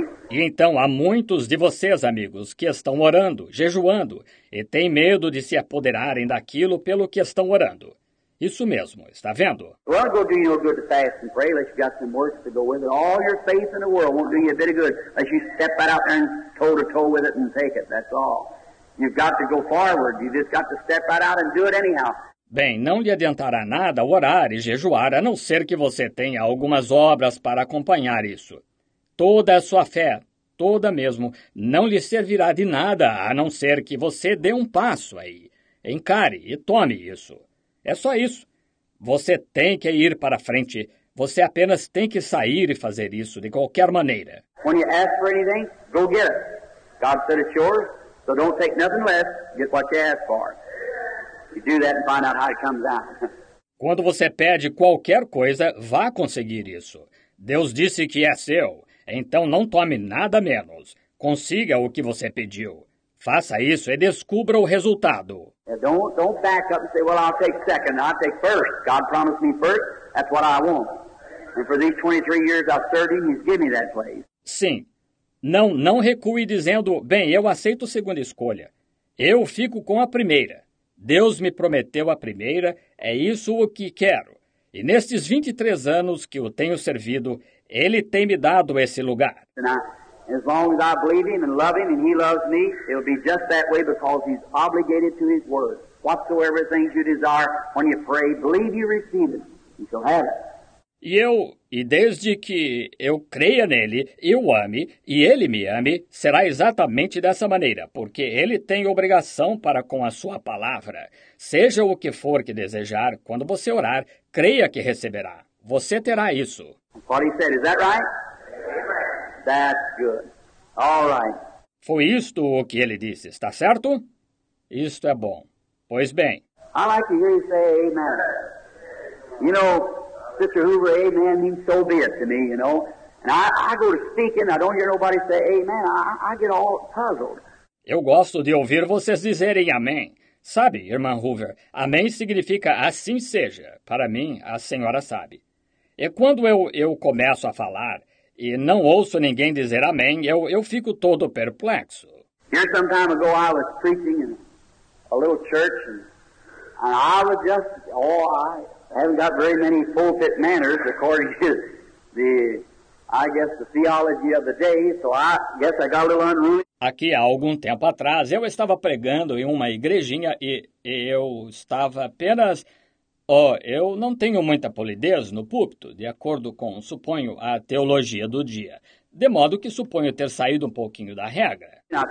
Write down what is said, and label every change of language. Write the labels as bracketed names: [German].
[Portuguese] E então, há muitos de vocês, amigos, que estão orando, jejuando, e têm medo de se apoderarem daquilo pelo que estão orando. Isso mesmo, está vendo? [English] Well, go do you no good to fast and pray unless you got some works to go with it. All your faith in the world won't do you a bit of good unless you step right out there and toe to toe with it and take it. That's all. You've got to go forward. You just got to step right out and do it anyhow. [Portuguese] Bem, não lhe adiantará nada orar e jejuar, a não ser que você tenha algumas obras para acompanhar isso. Toda a sua fé, toda mesmo, não lhe servirá de nada a não ser que você dê um passo aí. Encare e tome isso. É só isso. Você tem que ir para frente. Você apenas tem que sair e fazer isso de qualquer maneira. [English] When you ask for anything, go get it. God said it's yours, so don't take nothing less. Get what you ask for. You do that and find out how it comes out. [Portuguese] Quando você pede qualquer coisa, vá conseguir isso. Deus disse que é seu. Então não tome nada menos. Consiga o que você pediu. Faça isso e descubra o resultado. [English] Don't back up and say, well, I'll take second. I'll take first. God promised me first. That's what I want. And for these 23 years I've served him, he's given me that place. [Portuguese] Sim. Não recue dizendo, bem, eu aceito a segunda escolha. Eu fico com a primeira. Deus me prometeu a primeira. É isso o que quero. E nestes 23 anos que eu tenho servido, ele tem me dado esse lugar. [English] As long as I believe him and love him and he loves me, it'll be just that way because he's obligated to his word. Whatsoever things you desire, when you pray, believe you receive it. You shall have it. [Portuguese] E desde que eu creia nele, eu ame, e ele me ame, será exatamente dessa maneira, porque ele tem obrigação para com a sua palavra. Seja o que for que desejar, quando você orar, creia que receberá. Você terá isso. [English] What he said, is that right? That's good. All right. [Portuguese] Foi isto o que ele disse, está certo? Isto é bom. Pois bem. [English] I like to hear you say amen. You know, Sister Hoover, amen means so be it to me, you know. And I go to speaking, I don't hear nobody say amen. I get all puzzled. [Portuguese] Eu gosto de ouvir vocês dizerem amém. Sabe, irmã Hoover, amém significa assim seja. Para mim, a senhora sabe. E quando eu começo a falar e não ouço ninguém dizer amém, eu fico todo perplexo. [English] Here some time ago I was preaching in a little church and I was just, I haven't got very many pulpit manners according to the, I guess, the theology of the day, so I guess I got a little unruly. [Portuguese] Aqui, há algum tempo atrás, eu estava pregando em uma igrejinha e eu estava apenas... Oh, eu não tenho muita polidez no púlpito, de acordo com, suponho, a teologia do dia. De modo que suponho ter saído um pouquinho da regra.